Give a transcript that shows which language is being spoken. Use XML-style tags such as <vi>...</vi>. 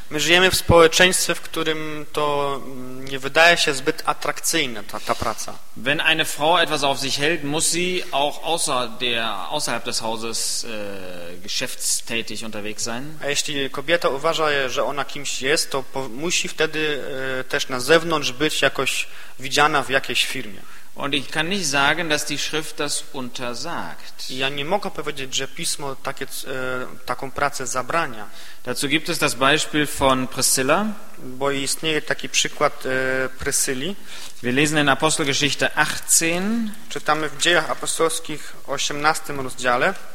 <pl>My żyjemy w społeczeństwie, w którym to nie wydaje się zbyt atrakcyjne ta praca.</pl> <de>Wenn eine Frau etwas auf sich hält, muss sie auch außerhalb des Hauses geschäftstätig unterwegs sein.</de> <pl>A jeśli kobieta uważa, że ona kimś jest, to musi wtedy też na zewnątrz być jakoś widziana w jakiejś firmie.</pl> <de>Und ich kann nicht sagen, dass die Schrift das untersagt.</de> <pl>Ja nie mogę powiedzieć, że Pismo taką pracę zabrania.</pl> <de>Dazu gibt es das Beispiel von Priscilla.</de> <pl>Bo istnieje taki przykład Priscyli.</pl> <de>Wir lesen in Apostelgeschichte 18.</de> <pl>Czytamy w Dziejach Apostolskich 18 rozdziale.</pl>